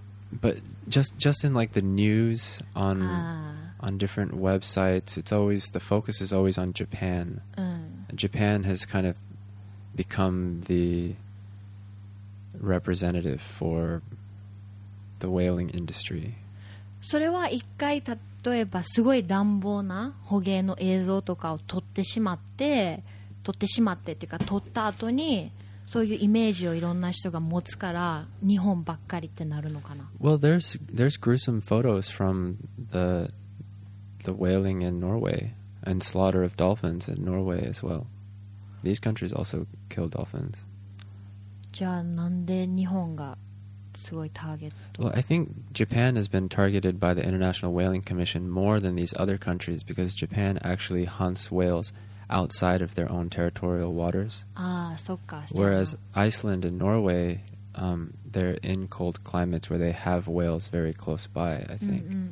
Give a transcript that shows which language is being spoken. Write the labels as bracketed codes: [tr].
[en] But just in like the news on on different websites, it's always the focus is always on Japan. Japan has kind of become the representative for the whaling industry. [ja] それは一回例えばすごい乱暴な捕鯨の映像とかを撮ってしまってっていうか撮った後にそういうイメージをいろんな人が持つから日本ばっかりってなるのかな。 [en] Well, there's gruesome photos from the whaling in Norway and slaughter of dolphins in Norway as well. These countries also kill dolphins. [ja] じゃあなんで日本がすごいターゲット? [en] Well, I think Japan has been targeted by the International Whaling Commission more than these other countries because Japan actually hunts whales outside of their own territorial waters. [ja] ああ、そっか。 [en] Whereas Iceland and Norway, they're in cold climates where they have whales very close by, I think.